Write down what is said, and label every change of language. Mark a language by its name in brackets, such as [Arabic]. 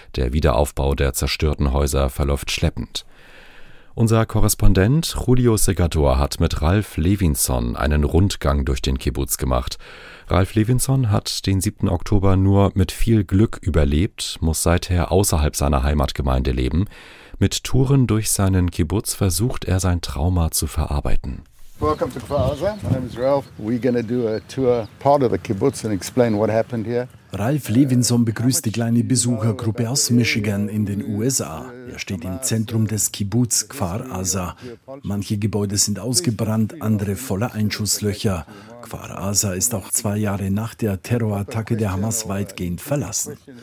[German] Der Wiederaufbau der zerstörten Häuser verläuft schleppend. Unser Korrespondent Julio Segador hat mit Ralf Levinson einen Rundgang durch den Kibbuz gemacht. Ralf Levinson hat den 7. Oktober nur mit viel Glück überlebt, muss seither außerhalb seiner Heimatgemeinde leben. Mit Touren durch seinen Kibbuz versucht er, sein Trauma zu verarbeiten. [English] Welcome to Kfar Aza. My name is Ralph. We're going to do a tour part of the kibbutz and explain what happened here. [German] Ralph Levinson begrüßt die kleine Besuchergruppe aus Michigan in den USA. Er steht im Zentrum des Kibbuz Kfar Aza. Manche Gebäude sind ausgebrannt, andere voller Einschusslöcher. Kfar Aza ist auch zwei Jahre nach der Terrorattacke der Hamas weitgehend verlassen.